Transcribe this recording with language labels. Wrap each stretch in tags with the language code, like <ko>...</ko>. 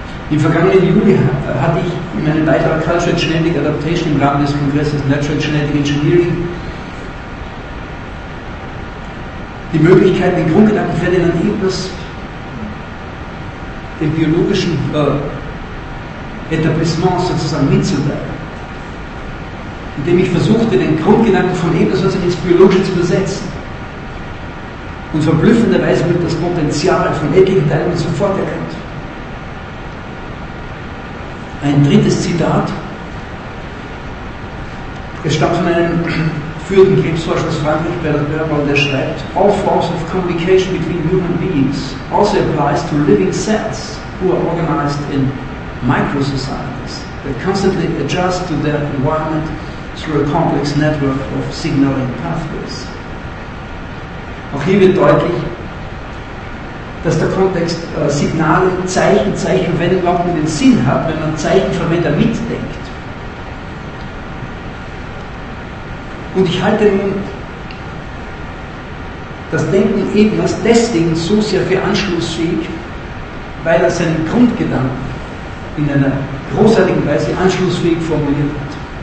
<de>Im vergangenen Juli hatte ich in meinem Beitrag Cultural Genetic Adaptation im Rahmen des Kongresses Natural Genetic Engineering die Möglichkeit, den Grundgedanken Ferdinand Ebners, den biologischen Etablissement sozusagen mitzuteilen, indem ich versuchte, den Grundgedanken von Ebner sozusagen ins Biologische zu übersetzen. Und verblüffenderweise wird das Potenzial von etlichen Teilen sofort erkannt. Ein drittes Zitat, es stammt von einem für den Krebsforscher aus Frankreich, Bernard Berbal, der schreibt,</de> <en>all forms of communication between human beings also applies to living cells who are organized in micro-societies that constantly adjust to their environment through a complex network of signaling pathways.</en> <de>Auch hier wird deutlich, dass der Kontext Signale, Zeichen, wenn überhaupt nur den Sinn hat, wenn man Zeichen verwendet, er mitdenkt. Und ich halte nun das Denken eben erst deswegen so sehr für anschlussfähig, weil er seinen Grundgedanken in einer großartigen Weise anschlussfähig formuliert hat.</de>